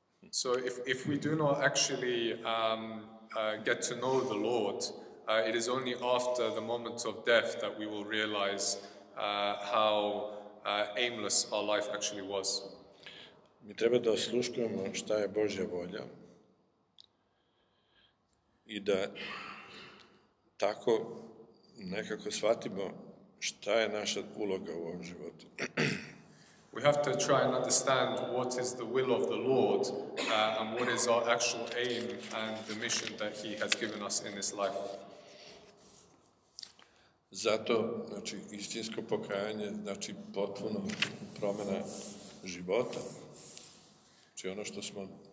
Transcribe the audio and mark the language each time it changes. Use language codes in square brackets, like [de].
[en] So if we do not actually get to know the Lord, it is only after the moment of death that we will realize how aimless our life actually was. [sr] Mi treba da osluškujemo šta je Božja volja i da tako nekako shvatimo šta je naša uloga u ovom životu. [en] We have to try and understand what is the will of the Lord and what is our actual aim and the mission that he has given us in this life. [sr] Zato, znači, istinsko pokajanje, znači, potpuno promjena života. Znači, ono što smo...